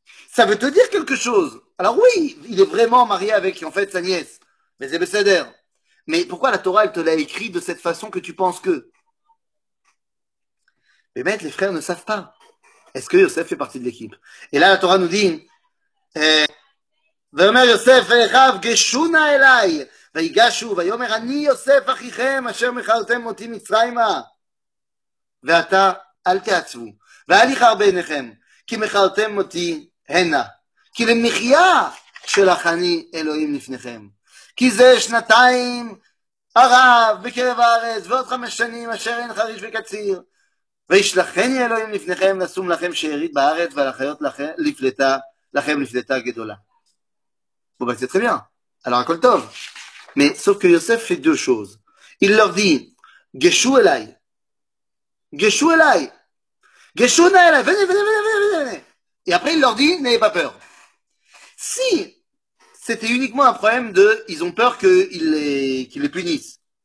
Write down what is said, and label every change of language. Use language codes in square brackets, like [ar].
[fr] Ça veut te dire quelque chose. Alors oui, il est vraiment marié avec, en fait, sa nièce. Mais c'est Bessader. Mais pourquoi la Torah, elle te l'a écrit de cette façon que tu penses que? Mais les frères ne savent pas. Est-ce que Yosef fait partie de l'équipe? Et là, la Torah nous dit, [he] ואומר יוסף ואחיו גשו נא אליי ויגשו ויאמר אני יוסף אחיכם אשר מכרתם אותי מצרימה ואתה אל תעצבו ואל יכר בעיניכם כי מכרתם אותי הנה כי למחיה שלך אני אלוהים לפניכם כי זה שנתיים ערב בקרב הארץ ועוד חמש שנים אשר אין חריש וקציר וישלחני אלוהים לפניכם לשום לכם שארית בארץ ולחיות לכם לפלטה, לכם לפלטה גדולה. [fr] Bon ben c'est très bien. Alors Akoltov. Mais sauf que Yosef fait deux choses. Il leur dit [he] Geshu elai. Geshu elai. Geshu na elai. [fr] Venez, venez, venez, venez, venez. Et après il leur dit n'ayez pas peur. Si c'était uniquement un problème de ils ont peur qu'ils les punissent.